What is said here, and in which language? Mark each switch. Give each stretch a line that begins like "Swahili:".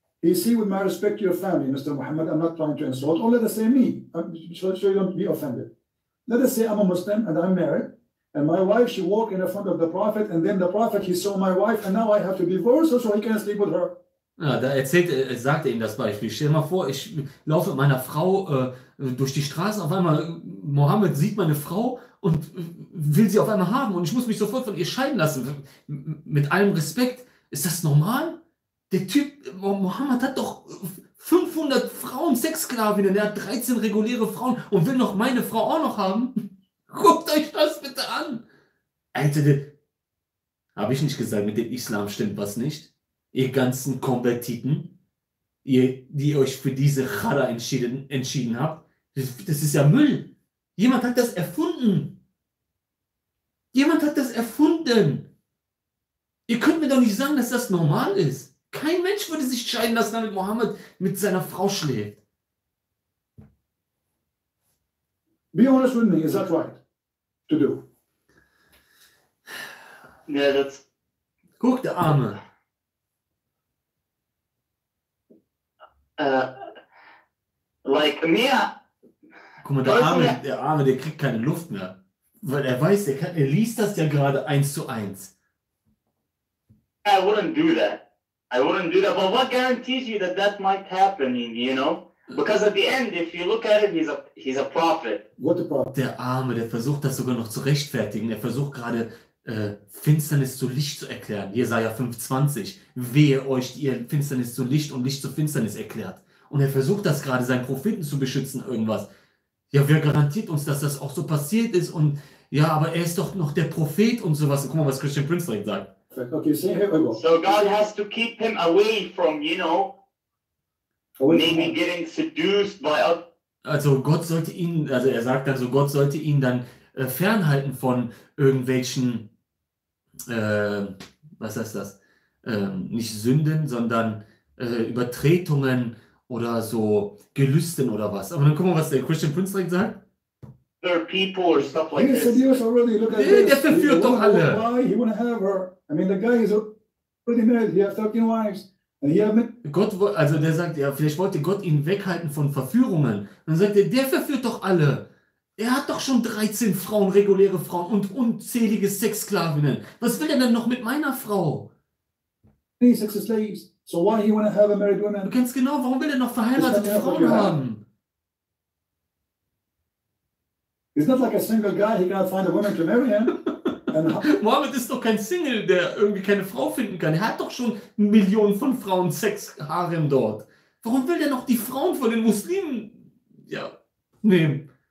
English: He see with my respect to your family, Mr. Muhammad, I'm not trying to insult, or let us say me, so you don't be offended. Let us say I'm a Muslim and I'm married, and my wife, she walk in front of the prophet, and then the prophet, he saw my wife, and now I have to divorce her so he can sleep with her.
German: Ja, da sagt er ihm das Beispiel. Stell dir mal vor, ich laufe mit meiner Frau durch die Straße, auf einmal Mohammed sieht meine Frau und will sie auf einmal haben und ich muss mich sofort von ihr scheiden lassen. Mit allem Respekt, ist das normal? Der Typ, Mohammed hat doch 500 Frauen Sexsklavinnen, er hat 13 reguläre Frauen und will noch meine Frau auch noch haben? Guckt euch das bitte an! Alter, habe ich nicht gesagt, mit dem Islam stimmt was nicht? Ihr ganzen Konvertiten, die euch für diese Chala entschieden habt, das ist ja Müll. Jemand hat das erfunden. Jemand hat das erfunden. Ihr könnt mir doch nicht sagen, dass das normal ist. Kein Mensch würde sich scheiden lassen, damit Mohammed mit seiner Frau schläft.
English: Be honest with me, is that right to do? Yeah, that's...
German: Guck, der Arme.
English: Like me.
German: Guck mal, der Arme, der kriegt keine Luft mehr. Weil er weiß, er liest das ja gerade 1:1.
English: I wouldn't do that. I wouldn't do that. But what guarantees you that that might happen, you know? Because at the end, if you look at it, he's a prophet. What about?
German: Der Arme, der versucht das sogar noch zu rechtfertigen. Er versucht gerade, Finsternis zu Licht zu erklären. Jesaja 5:20. Wehe euch, die ihr Finsternis zu Licht und Licht zu Finsternis erklärt. Und er versucht das gerade, seinen Propheten zu beschützen, irgendwas. Ja, wer garantiert uns, dass das auch so passiert ist? Und ja, aber er ist doch noch der Prophet und sowas. Guck mal, was Christian Prince direkt sagt.
English: Okay, see, here we go. So God has to keep him away from, you know, maybe getting seduced by other...
German: Also Gott sollte ihn, also er sagt dann so, Gott sollte ihn dann fernhalten von irgendwelchen, was heißt das, nicht Sünden, sondern Übertretungen oder so Gelüsten oder was. Aber dann guck mal, was der Christian Prince direkt sagt.
English: There are people or stuff like this.
German: Der verführt doch alle.
English: He wanna have her. I mean, the guy is pretty mad. He has 13 wives.
German: Gott, also der sagt, ja, vielleicht wollte Gott ihn weghalten von Verführungen. Dann sagt er, der verführt doch alle. Er hat doch schon 13 Frauen, reguläre Frauen und unzählige Sexsklavinnen. Was will er denn noch mit meiner Frau?
English: So why he wanna have a married woman?
German: Ganz genau, warum will er noch verheiratete Frauen haben?
English: It's not like a single guy, he cannot find a woman to marry him.
German: Mohammed ist doch kein Single, der irgendwie keine Frau finden kann. Er hat doch schon Millionen von Frauen Sex-Harem dort. Warum will der noch die Frauen von den Muslimen ja, nehmen?